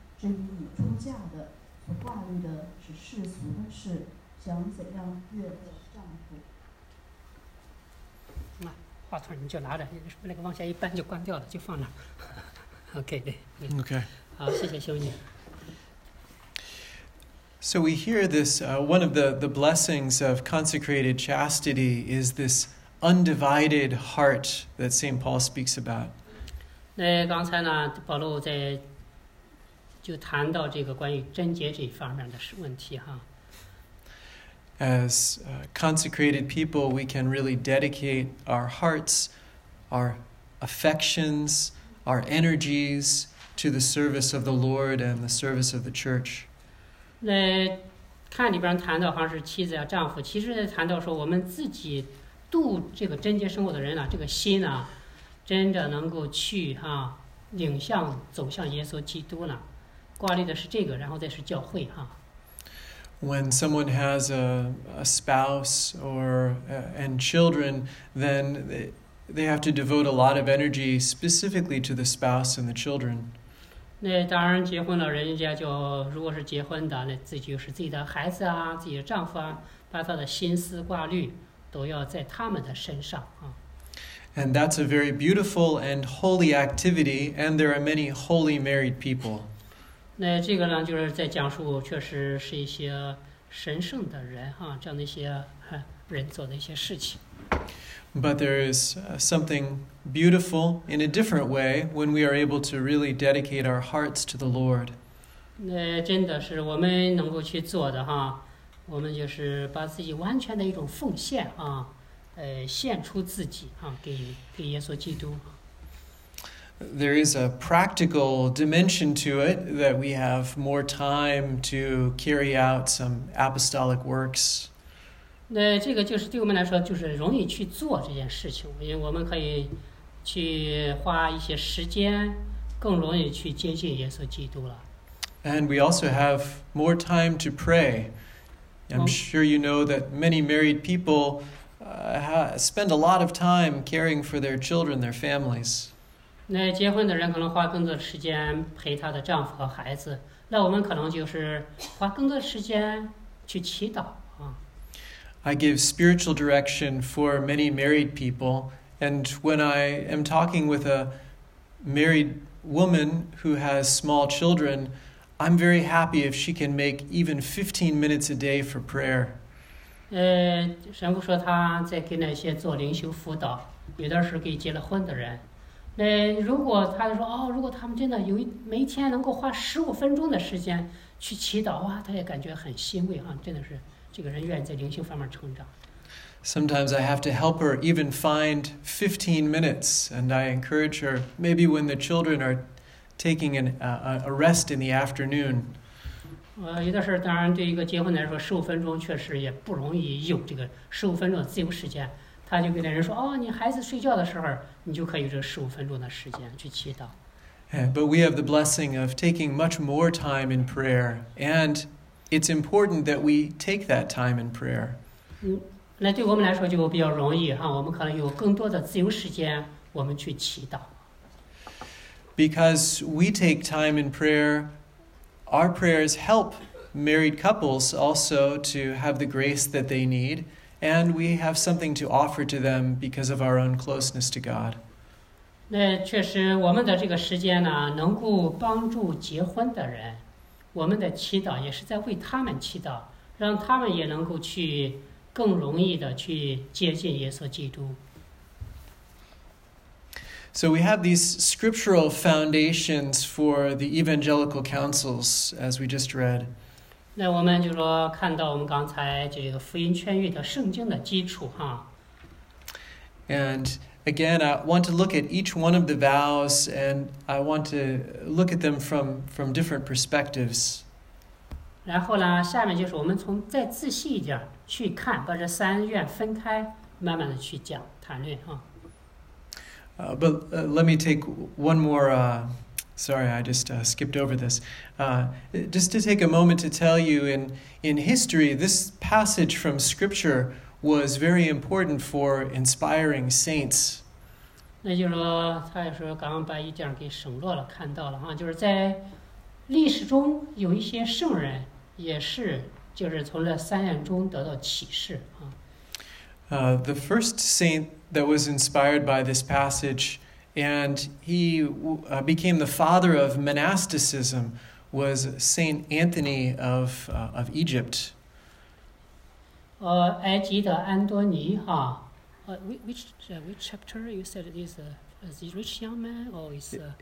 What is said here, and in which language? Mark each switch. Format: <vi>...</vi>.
<zh>至于你出嫁的所挂虑的是世俗的事，想怎样悦乐丈夫。话筒你就拿着，那个往下一搬就关掉了，就放那儿。 OK 对。 OK。好，谢谢修女。</zh> <en>So we hear this, one of the blessings of consecrated chastity is this undivided heart that St. Paul speaks about.</en> <zh>那刚才呢，保罗在就谈到这个关于贞洁这一方面的问题哈。</zh> <en>As consecrated people, we can really dedicate our hearts, our affections, our energies to the service of the Lord and the service of the church.</en> <zh>那看里边谈到好像是妻子啊、丈夫，其实在谈到说我们自己度这个贞洁生活的人啊，这个心啊，真的能够去哈、啊、领向走向耶稣基督了。挂虑的是这个，然后再是教会哈、啊。</zh> <en>When someone has a spouse or and children, then they have to devote a lot of energy specifically to the spouse and the children.</en> <zh>那当然，结婚了，人家就如果是结婚的，那自己就是自己的孩子啊，自己的丈夫啊，把他的心思挂虑都要在他们的身上啊。</zh> <en>And that's a very beautiful and holy activity, and there are many holy married people.</en> <zh>那这个呢，就是在讲述，确实是一些神圣的人哈、啊，这样的一些人做的一些事情。</zh> <en>But there is something beautiful in a different way when we are able to really dedicate our hearts to the Lord.</en> <zh>那真的是我们能够去做的哈、啊，我们就是把自己完全的一种奉献啊，献出自己啊，给耶稣基督。</zh> <en>There is a practical dimension to it that we have more time to carry out some apostolic works.</en> <zh>那这个就是对我们来说就是容易去做这件事情，因为我们可以去花一些时间，更容易去接近耶稣基督了。</zh> <en>And we also have more time to pray. I'm sure you know that many married people spend a lot of time caring for their children, their families.</en> <zh>那结婚的人可能花更多的时间陪她的丈夫和孩子，那我们可能就是花更多的时间去祈祷啊。</zh> <en>I give spiritual direction for many married people, and when I am talking with a married woman who has small children, I'm very happy if she can make even 15 minutes a day for prayer.</en> <zh>神父说他在给那些做灵修辅导，有的时候给结了婚的人。如果他说、哦、如果他们真的有每天能够花15分钟的时间去祈祷、啊、他也感觉很欣慰、啊、真的是这个人愿意在灵性方面成长。</zh> <en>Sometimes I have to help her even find 15 minutes, and I encourage her maybe when the children are taking a rest in the afternoon.</en> <zh>有的时候，当然对一个结婚来说，十五分钟确实也不容易有这个十五分钟的自由时间。他就跟那人说：“哦，你孩子睡觉的时候，你就可以有这15分钟的时间去祈祷。”</zh> <en>But we have the blessing of taking much more time in prayer, and it's important that we take that time in prayer.</en> <zh>那对我们来说就比较容易哈，我们可能有更多的自由时间，我们去祈祷。</zh> <en>Because we take time in prayer, our prayers help married couples also to have the grace that they need. And we have something to offer to them because of our own closeness to God.</en> <zh>那确实，我们的这个时间呢，能够帮助结婚的人，我们的祈祷也是在为他们祈祷，让他们也能够去更容易的去接近耶稣基督。</zh> <en>So we have these scriptural foundations for the evangelical councils, as we just read.</en> <zh>那我们就说，看到我们刚才这个福音圈域的圣经的基础哈。</zh> <en>And again, I want to look at each one of the vows, and I want to look at them from different perspectives.</en> <zh>然后呢，下面就是我们从再仔细一点去看，把这三愿分开，慢慢的去讲谈论哈。</zh> <en>But let me take one more. Sorry, I just skipped over this. Just to take a moment to tell you, in history, this passage from Scripture was very important for inspiring saints.</en> <zh>那就是说，他也说刚刚把一点给省略了，看到了哈，就是在历史中有一些圣人，也是就是从这三愿中得到启示啊。</zh> <en>The first saint that was inspired by this passage, and he became the father of monasticism, was Saint Anthony of Egypt.</en> <zh>埃及的安多尼哈，</zh> <en>which chapter you said it is this rich young man or is</en>